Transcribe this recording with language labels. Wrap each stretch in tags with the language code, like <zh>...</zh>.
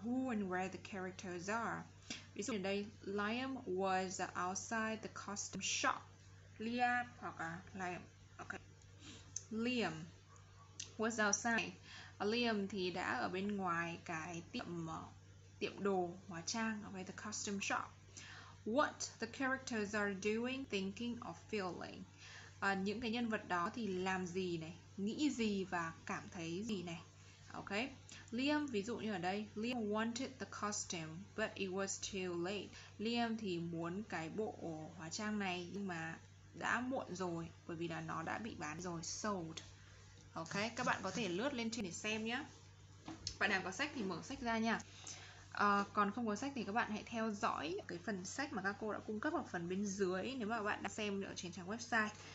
<en>Who and where the characters are?</en> <vi>Ví dụ như ở đây,</vi> <en>Liam was outside the costume shop. Liam hoặc Liam. Okay. Liam was outside.</en> <vi>Liam thì đã ở bên ngoài cái tiệm đồ hóa trang, okay,</vi> <en>the costume shop. What the characters are doing, thinking or feeling.</en> <vi>Những cái nhân vật đó thì làm gì này, nghĩ gì và cảm thấy gì này. Okay.</vi> <en>Liam</en> <vi>ví dụ như ở đây,</vi> <en>Liam wanted the costume but it was too late.</en> <vi>Liam thì muốn cái bộ hóa trang này nhưng mà đã muộn rồi, bởi vì là nó đã bị bán rồi, sold. Ok, các bạn có thể lướt lên trên để xem nhé. Bạn nào có sách thì mở sách ra nha. Còn không có sách thì các bạn hãy theo dõi cái phần sách mà các cô đã cung cấp ở phần bên dưới nếu mà các bạn đang xem ở trên trang website.</vi>